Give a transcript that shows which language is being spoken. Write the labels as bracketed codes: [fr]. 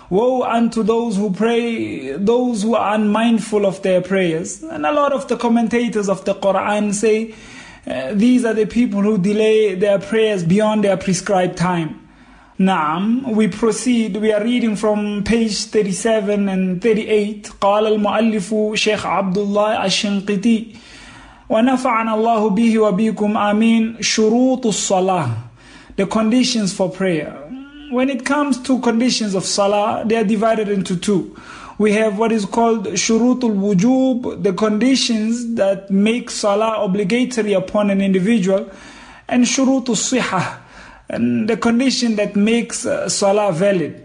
[en] Woe unto those who pray, those who are unmindful of their prayers. And a lot of the commentators of the Quran say, these are the people who delay their prayers beyond their prescribed time. Naam, we proceed. We are reading from page 37 and 38. [ar] قال المؤلف شيخ عبد الله الشنقيطي ونفعنا الله به وبيكم آمين شروط الصلاة. [en] The conditions for prayer. When it comes to conditions of salah, they are divided into two. We have what is called شروط الوجوب, the conditions that make salah obligatory upon an individual, and شروط الصحة, and the condition that makes salah valid.